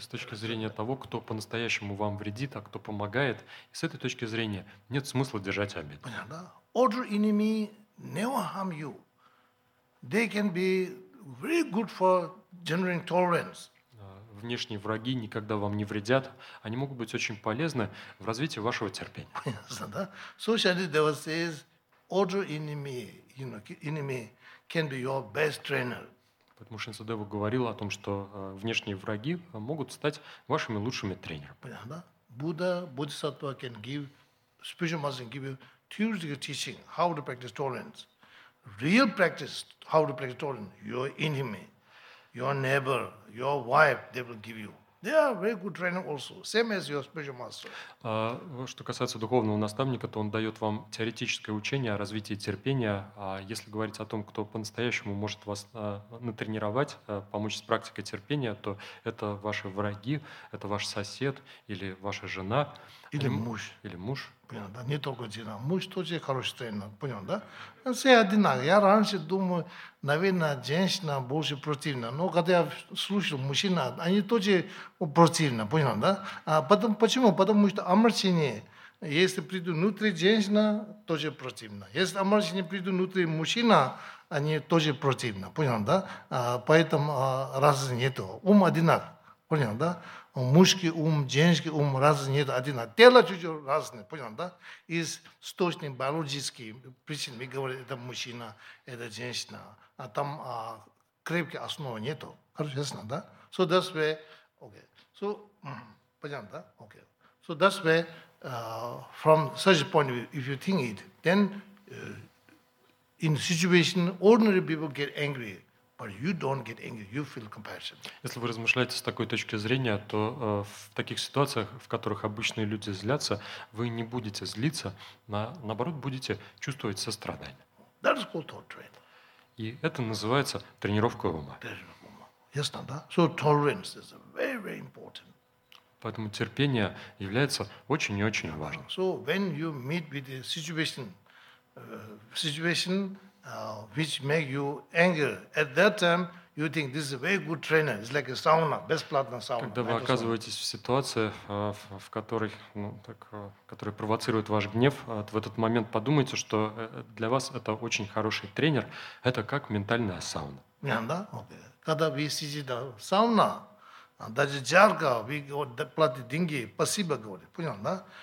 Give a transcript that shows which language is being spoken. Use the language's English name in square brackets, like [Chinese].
[Russian] С точки зрения того, кто по-настоящему вам вредит, а кто помогает, с этой точки зрения нет смысла держать обиду. Понятно, да? [English] Other enemy never harm you. They can be very good for generating tolerance. [Russian] Внешние враги никогда вам не вредят, они могут быть очень полезны в развитии вашего терпения. Понятно, да? [English] Socially, there was this other enemy, you know, enemy can be your best trainer. [Russian] Поэтому Шинсадева говорил о том, что внешние враги могут стать вашими лучшими тренерами. Понятно, да? [English] Buddha, Bodhisattva can give, spiritual master can give you theoretical teaching, how to practice tolerance. Real practice, how to practice tolerance, your enemy. Your neighbor, your wife, they will give you. They are very good trainer also, same as your spiritual master. [Russian] Что касается духовного наставника, то он дает вам теоретическое учение о развитии терпения. А если говорить о том, кто по-настоящему может вас натренировать, помочь с практикой терпения, то это ваши враги, это ваш сосед или ваша жена. Или муж. Или муж. Понял, да? Не только жена. Муж тоже хороший тренер. Понял, да? Все одинаковые. Я раньше думаю, наверное, женщина больше противна. Но когда я слушал мужчин, они тоже противны. Понял, да? А потом, почему? Потому что омрачение. Если приду внутри женщина, тоже противно. Если омрачение приду внутри мужчина, они тоже противны. Понял, да? Поэтому разницы нет. Ум одинаковый. Понял, да? Мужский ум, женский ум, разные нет, один, а тело чуть-чуть разное, понял, да? Из сточной биологической причины мы говорим, это мужчина, это женщина, а там крепкой основы нету, хорошо, ясно, да? [English] So that's where, okay, so, [Russian] понял, да? [English] Okay, so that's where, from such a point of view, if you think it, then in situation, ordinary people get angry. But you don't get angry, you feel compassion. [Russian] Если вы размышляете с такой точки зрения, то в таких ситуациях, в которых обычные люди злятся, вы не будете злиться, наоборот, будете чувствовать сострадание. [English] That is called tolerance. [Russian] И это называется тренировка ума. Ясно, да? [English] So tolerance is very, very important. [Russian] Поэтому терпение является очень и очень важным. [English] So when you meet with a situation, situation which make you anger. At that time, you think this is a very good trainer. It's like a sauna, [Russian] бесплатная сауна. Когда вы оказываетесь в ситуации, в которой, ну, так, которая провоцирует ваш гнев, в этот момент подумайте, что для вас это очень хороший тренер. Это как ментальная сауна. Да? Окей. Когда вы сидите в сауне, даже жарко, вы платите деньги, спасибо, говорит. Понял, да?